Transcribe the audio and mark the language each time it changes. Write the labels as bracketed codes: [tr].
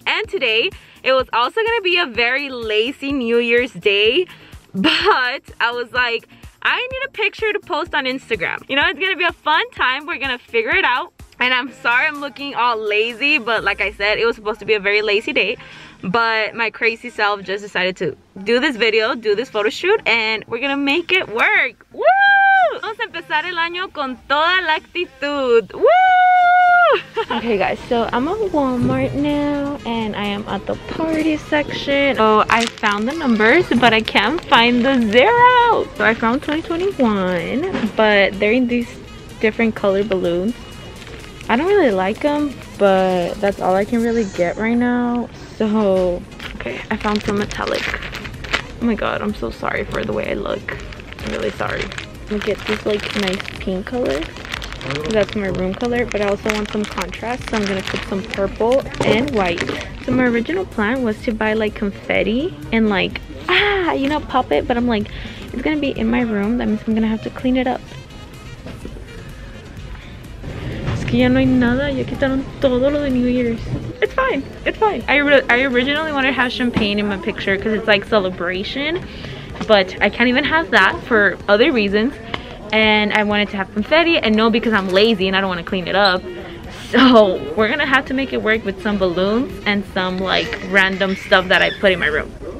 [en] And today it was also gonna be a very lazy New Year's Day, but I was like, I need a picture to post on Instagram. You know, it's gonna be a fun time. We're gonna figure it out. And I'm sorry I'm looking all lazy, but like I said, it was supposed to be a very lazy day. But my crazy self just decided to do this video, do this photo shoot, and we're gonna make it work. Woo! [es] Vamos a empezar el año con toda la actitud. Woo! [en] Okay guys, so I'm at Walmart now, and I am at the party section. So I found the numbers, but I can't find the zero. So I found 2021, but they're in these different color balloons. I don't really like them, but that's all I can really get right now. So, okay, I found some metallic. Oh my god, I'm so sorry for the way I look. I'm really sorry. I'm gonna get this like nice pink color. That's my room color, but I also want some contrast, so I'm gonna put some purple and white. So my original plan was to buy like confetti and like, you know, pop it, but I'm like, it's gonna be in my room. That means I'm gonna have to clean it up. [es] Ya no hay nada, ya quitaron todo lo de New Year's. [en] It's fine, it's fine. I originally wanted to have champagne in my picture because it's like celebration, but I can't even have that for other reasons. And I wanted to have confetti, and no, because I'm lazy and I don't want to clean it up. So we're gonna have to make it work with some balloons and some like random stuff that I put in my room.